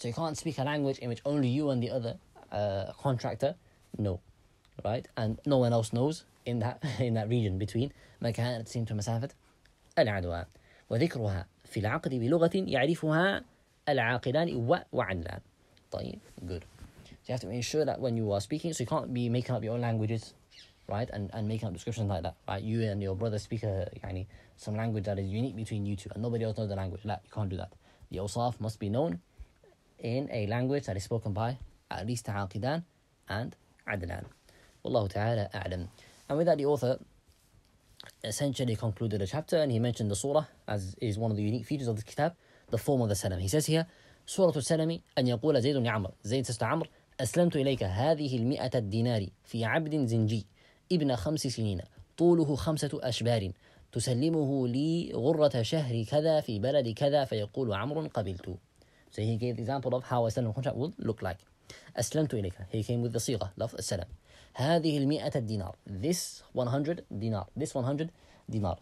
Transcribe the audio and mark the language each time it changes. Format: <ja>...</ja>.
<en>So you can't speak a language in which only you and the other contractor know, right? And no one else knows in that region between</en> <ar>makan at-sin</ar> <en>to</en> <ar>masafat al-adwa. وذكرها في العقد بلغة يعرفها العاقدان وعدلان. طيب,</ar> <en>good. So you have to make sure that when you are speaking, so you can't be making up your own languages, right? And making up descriptions like that, right? You and your brother speak some language that is unique between you two, and nobody else knows the language. No, you can't do that. The awsaf must be known in a language that is spoken by at least Aqidan and Adlan.</en> <ar>Wallahu ta'ala a'lam.</ar> <en>And with that, the author essentially concluded the chapter, and he mentioned the surah as is one of the unique features of the kitab, the form of the salam. He says here,</en> <ar>Surah al-Salam, أن يقول زيد لعمر, زيد</ar> <en>says to Amr,</en> <ar>أسلمت إليك هذه المئة الدينار في عبد زنجي ابن خمس سنين طوله خمسة أشبار تسلمه لي غرة شهر كذا في بلد كذا فيقول عمر قبلت.</ar> <en>So he gave the example of how a salam contract would look like.</en> <ar>أسلمت إليك,</ar> <en>he came with the</en> <ar>صيغة لفظ السلام. هذه المئة الدينار,</ar> <en>this 100 دينار, this 100</en> <ar>دينار.</ar>